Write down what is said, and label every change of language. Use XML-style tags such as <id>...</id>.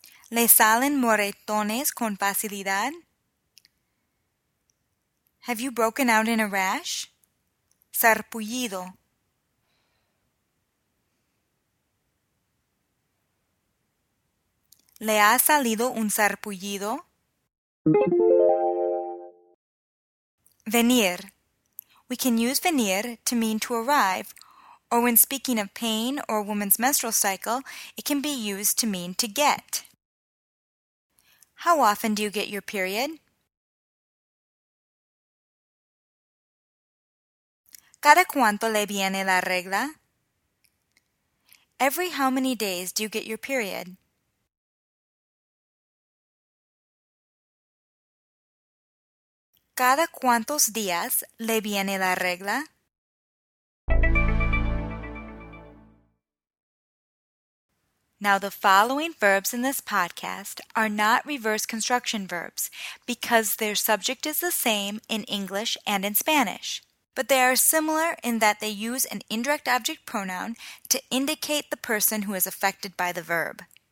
<es>¿Le salen moretones con facilidad?</es> <en>Have you broken out in a rash?</en> <es>Sarpullido. ¿Le ha salido un sarpullido? Venir.</es> <en>We can use venir to mean to arrive, or when speaking of pain or a woman's menstrual cycle, it can be used to mean to get. How often do you get your period?</en> <es>¿Cada cuánto le viene la regla?</es> <en>Every how many days do you get your period?</en> <es>¿Cada cuántos días le viene la regla?</es> <en>Now, the following verbs in this podcast are not reverse construction verbs because their subject is the same in English and in Spanish. But they are similar in that they use an indirect object pronoun to indicate the person who is affected by the verb.</en>